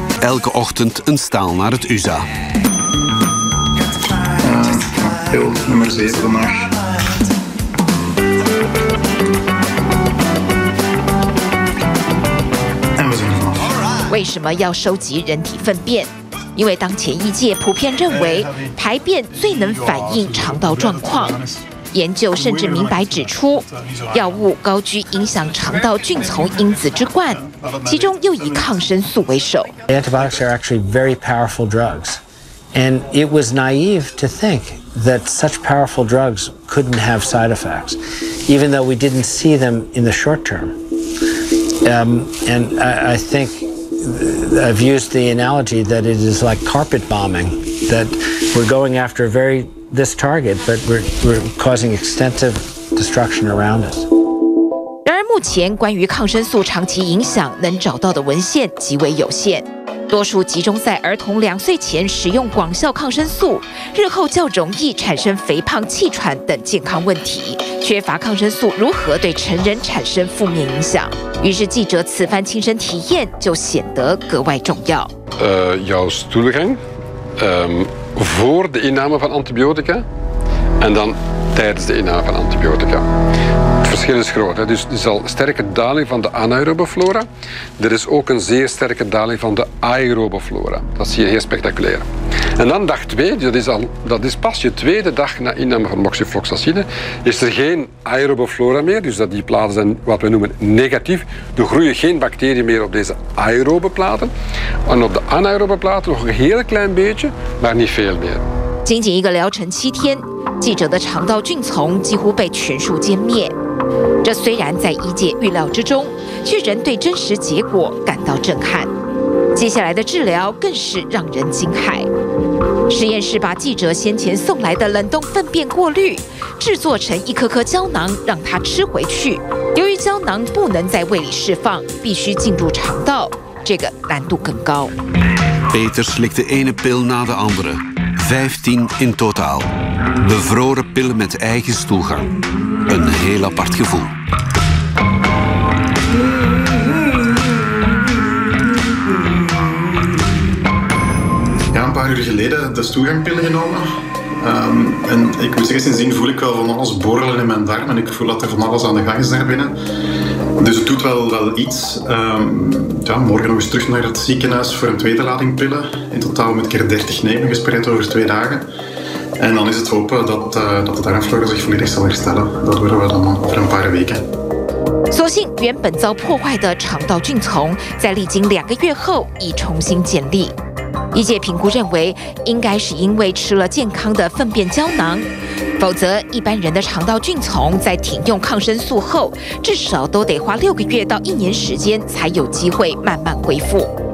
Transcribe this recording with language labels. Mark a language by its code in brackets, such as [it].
[nl] Elke ochtend een staal naar het USA. Pil nummer 7 vandaag. En we zijn vanaf. Waarom moet je menselijke vlees verzamelen? [zh] 因为当前业界普遍认为排便最能反映肠道状况，研究甚至明白指出，药物高居影响肠道菌丛因子之冠，其中又以抗生素为首。 [en] Antibiotics are actually very powerful drugs, and it was naive to think that such powerful drugs couldn't have side effects, even though we didn't see them in the short term. And I think I've used the analogy that it is like carpet bombing, that we're going after this target, but we're causing extensive destruction around us. [zh] 然而，目前关于抗生素长期影响能找到的文献极为有限，多数集中在儿童两岁前使用广效抗生素，日后较容易产生肥胖、气喘等健康问题。缺乏抗生素如何对成人产生负面影响？于是记者此番亲身体验就显得格外重要。 [nl] Jouw stoelgang, voor de inname van antibiotica, en dan tijdens de inname van antibiotica. Het verschil is groot. Hè? Dus er is al sterke daling van de anaerobe flora. Er is ook een zeer sterke daling van de aerobe flora. Dat zie je heel spectaculair. En dan dag 2, dat is pas je tweede dag na inname van moxifloxacine, is er geen aerobe flora meer. Dus dat die platen zijn wat we noemen negatief. Er groeien geen bacteriën meer op deze aerobe platen. En op de anaerobe platen nog een heel klein beetje, maar niet veel meer. [zh] 仅仅一个疗程七天，记者的肠道菌丛几乎被全数歼灭。这虽然在医界预料之中，却仍对真实结果感到震撼。接下来的治疗更是让人惊骇。实验室把记者先前送来的冷冻粪便过滤，制作成一颗颗胶囊，让他吃回去。由于胶囊不能在胃里释放，必须进入肠道，这个难度更高。 [nl] Peter slikt de ene pil na de andere。 15 in totaal. Bevroren pillen met eigen stoelgang. Een heel apart gevoel. Ja, een paar uur geleden de stoelgangpillen genomen. En ik moet zeggen, sindsdien voel ik wel van alles borrelen in mijn darm. En ik voel dat er van alles aan de gang is daar binnen. Dus het doet wel iets. Morgen nog eens terug naar het ziekenhuis voor een tweede lading pillen. In totaal moet ik er 30 nemen, gespreid over 2 dagen. En dan is het hopen dat de darmflora zich volledig zal herstellen. Dat worden we dan over een paar weken. [zh] 所幸原本遭破坏的肠道菌丛在历经2个月后已重新建立。医界评估认为，应该是因为吃了健康的粪便胶囊，否则一般人的肠道菌丛在停用抗生素后，至少都得花6个月到1年时间才有机会慢慢恢复。